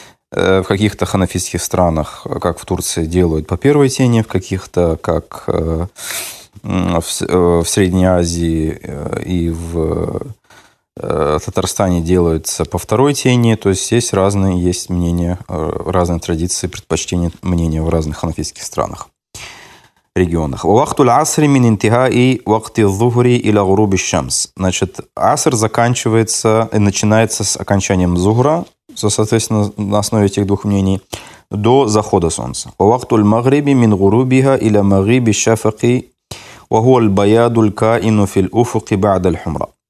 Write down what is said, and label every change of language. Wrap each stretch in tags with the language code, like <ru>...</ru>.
<ru>В каких-то ханафитских странах, как в Турции, делают по первой тени, в каких-то, как в Средней Азии и в в Татарстане делается по второй тени, то есть есть разные есть мнения, разные традиции, предпочтения мнения в разных ханафитских странах, регионах.</ru> <ar>وقت العصر من انتهاء وقت الظهر إلى غروب الشمس.</ar> <ru>Значит, аср заканчивается и начинается с окончанием зухра, соответственно, на основе этих двух мнений, до захода солнца.</ru> <ar>وقت المغرب من غروبها إلى مغيب الشفق وهو البياض الكائن في الأفق بعد الحمرة.</ar>